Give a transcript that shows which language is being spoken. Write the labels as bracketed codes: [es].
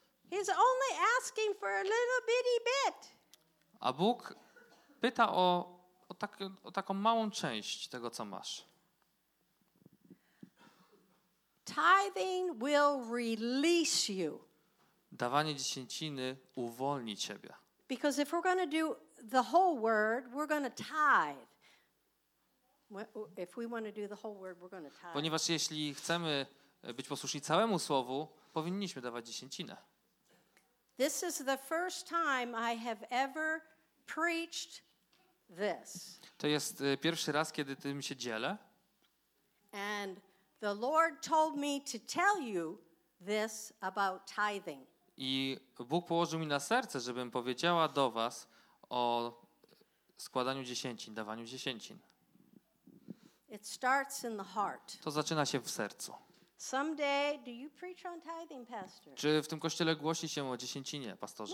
[en] He's only asking for a little bitty bit. [pl] A Bóg pyta o taką małą część tego, co masz. [en] Tithing will release you. [pl] Dawanie dziesięciny uwolni ciebie. [en] Because if we're going to do the whole word, we're going to tithe. If we want to do the whole word, we're going to tithe. [pl] Ponieważ jeśli chcemy być posłuszni całemu słowu, powinniśmy dawać dziesięcinę. [en] This is the first time I have ever preached this. [pl] To jest pierwszy raz, kiedy tym się dzielę. [en] And the Lord told me to tell you this about tithing. [pl] I Bóg położył mi na serce, żebym powiedziała do was o składaniu dziesięcin, dawaniu dziesięcin. [en] It starts in the heart. [pl] To zaczyna się w sercu. [en] Someday, do you preach on tithing, pastor? [pl] Czy w tym kościele głosi się o dziesięcinie, pastorze?